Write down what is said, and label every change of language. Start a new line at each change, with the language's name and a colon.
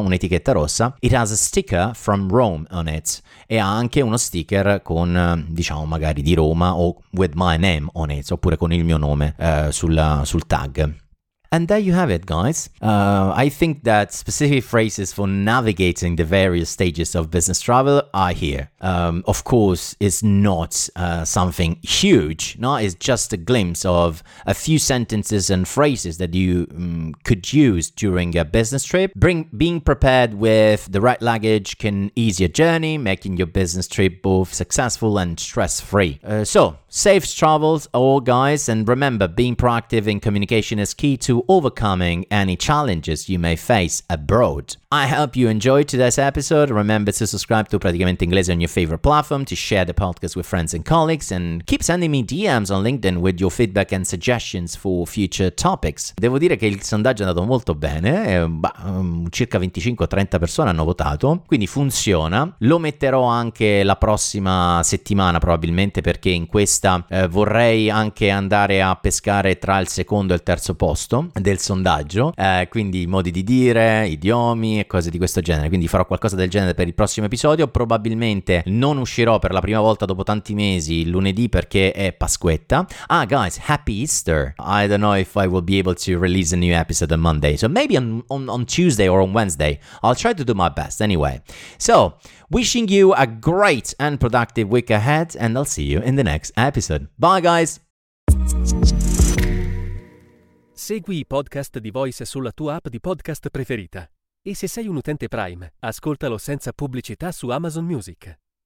Italian: Un'etichetta rossa.
English: It has a sticker from Rome on it.
Italian: E ha anche uno sticker con, diciamo, magari di Roma o
English: with my name on it,
Italian: oppure con il mio nome sul tag.
English: And there you have it, guys. I think that specific phrases for navigating the various stages of business travel are here. Of course, it's not something huge. No, it's just a glimpse of a few sentences and phrases that you could use during a business trip. Being prepared with the right luggage can ease your journey, making your business trip both successful and stress-free. So, safe travels all, guys. And remember, being proactive in communication is key to overcoming any challenges you may face abroad. I hope you enjoyed today's episode. Remember to subscribe to Praticamente Inglese on your favorite platform, to share the podcast with friends and colleagues, and keep sending me DMs on LinkedIn with your feedback and suggestions for future topics.
Italian: Devo dire che il sondaggio è andato molto bene, circa 25-30 persone hanno votato, quindi funziona. Lo metterò anche la prossima settimana probabilmente, perché in questa vorrei anche andare a pescare tra il secondo e il terzo posto del sondaggio, quindi modi di dire, idiomi e cose di questo genere, quindi farò qualcosa del genere per il prossimo episodio. Probabilmente non uscirò per la prima volta dopo tanti mesi il lunedì, perché è Pasquetta.
English: Ah, guys, happy Easter. I don't know if I will be able to release a new episode on Monday, so maybe on Tuesday or on Wednesday. I'll try to do my best anyway. So, wishing you a great and productive week ahead, and I'll see you in the next episode. Bye, guys.
Italian: Segui i podcast di Voice sulla tua app di podcast preferita. E se sei un utente Prime, ascoltalo senza pubblicità su Amazon Music.